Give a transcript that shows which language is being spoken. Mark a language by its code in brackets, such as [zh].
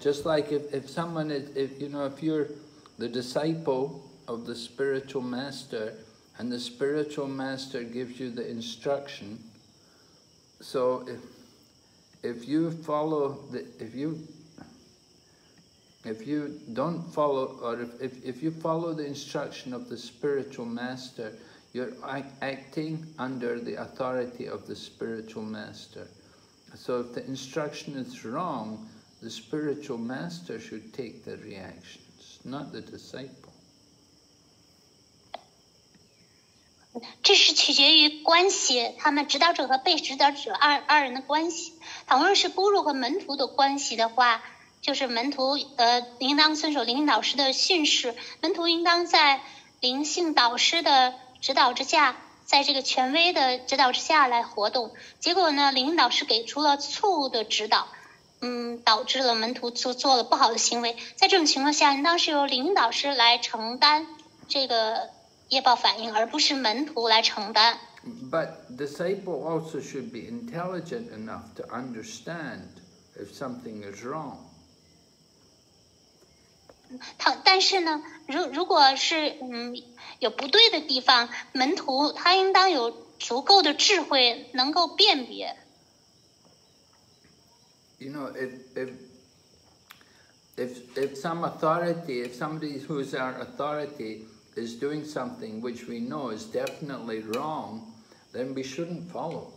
[en] Just like if someone is, if you know, if you're the disciple of the spiritual master, and the spiritual master gives you the instruction, so if you follow the instruction of the spiritual master, you're acting under the authority of the spiritual master. So if the instruction is wrong, the spiritual master should take the reactions, not the disciple. [zh] 这是取决于关系，他们指导者和被指导者二人的关系。倘若是guru和门徒的关系的话，就是门徒应当遵守灵性导师的训示，门徒应当在灵性导师的指导之下，在这个权威的指导之下来活动。结果呢，灵性导师给出了错误的指导，导致了门徒做了不好的行为。在这种情况下，应当是由灵性导师来承担这个业报反应，而不是门徒来承担。 [en] But disciple also should be intelligent enough to understand if something is wrong. [zh] 他但是呢，如果是有不对的地方，门徒他应当有足够的智慧能够辨别。 [en] You know, if some authority, if somebody who's our authority is doing something which we know is definitely wrong, then we shouldn't follow.